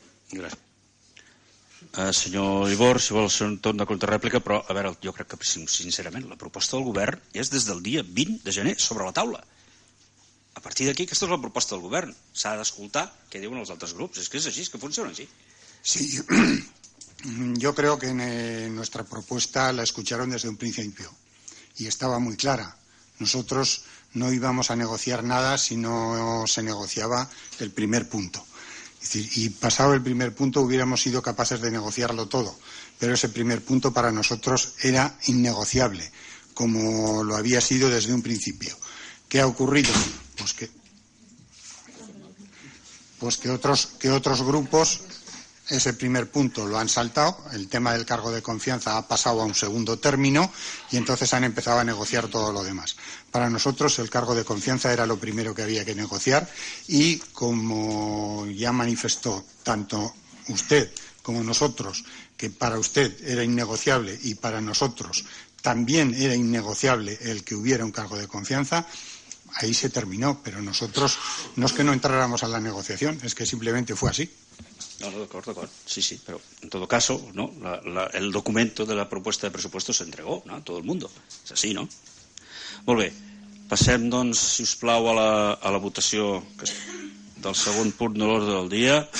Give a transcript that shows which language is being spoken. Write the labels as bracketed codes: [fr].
[ca] Gràcies. Senyor Ibor, si vol ser un torn de contrarèplica, però a veure, jo crec que sincerament la proposta del govern és des del dia 20 de gener sobre la taula. A partir d'aquí aquesta és la proposta del govern. S'ha d'escoltar què diuen els altres grups. És que és així, és que funciona així. [es] Sí, yo creo que en nuestra propuesta la escucharon desde un principio. Y estaba muy clara. Nosotros no íbamos a negociar nada si no se negociaba el primer punto. Es decir, y pasado el primer punto hubiéramos sido capaces de negociarlo todo. Pero ese primer punto para nosotros era innegociable, como lo había sido desde un principio. ¿Qué ha ocurrido? Pues que otros grupos ese primer punto lo han saltado, el tema del cargo de confianza ha pasado a un segundo término y entonces han empezado a negociar todo lo demás. Para nosotros el cargo de confianza era lo primero que había que negociar y como ya manifestó tanto usted como nosotros que para usted era innegociable y para nosotros también era innegociable el que hubiera un cargo de confianza, ahí se terminó, pero nosotros no es que no entráramos a la negociación, es que simplemente fue así. [ca] No, d'acord, sí, però en tot cas, no, el documento de la proposta de pressupostos s'entregó, no, a tot el món. És així, no? Molt bé. Passem doncs, si us plau, a la votació del segon punt de l'ordre del dia.